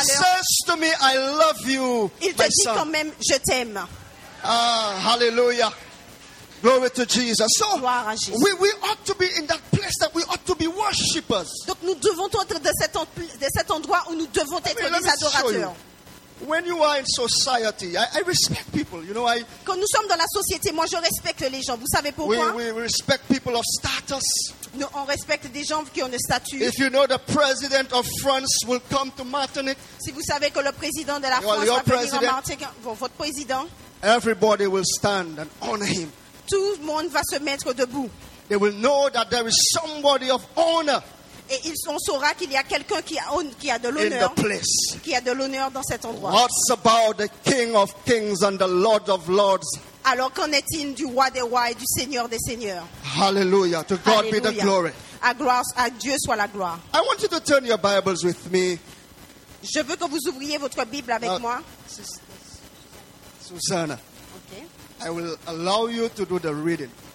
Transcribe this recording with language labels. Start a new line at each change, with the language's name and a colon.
English: He still says to me, I love you.
French: Il te dit quand même, je t'aime.
English: Ah, hallelujah. Glory to Jesus. So,
French: gloire à Jésus.
English: We ought to be in that place that we ought to be worshippers.
French: Donc nous devons être de cet endroit où nous devons être des adorateurs.
English: You. When you are in society, I respect people. You know, I.
French: Quand nous sommes dans la société, moi je respecte les gens. Vous savez pourquoi?
English: We respect people of status.
French: Nous on respecte des gens qui ont un statut.
English: If you know the president of France will come to Martinique.
French: Si vous savez que le président de la France va venir en Martinique, votre président.
English: Everybody will stand and honor him.
French: Tout le monde va se mettre debout.
English: They will know that there is somebody of honor.
French: Et on saura qu'il y a quelqu'un qui a de l'honneur.
English: In the place.
French: Qui a de l'honneur dans cet endroit.
English: What's about the King of Kings and the Lord of Lords?
French: Alors qu'en est-il du roi des rois et du seigneur des seigneurs?
English: Hallelujah. To God Hallelujah. Be the glory.
French: À Dieu soit la gloire.
English: I want you to turn your Bibles with me.
French: Je veux que vous ouvriez votre Bible avec moi. Susanna.
English: I will allow you to do the reading.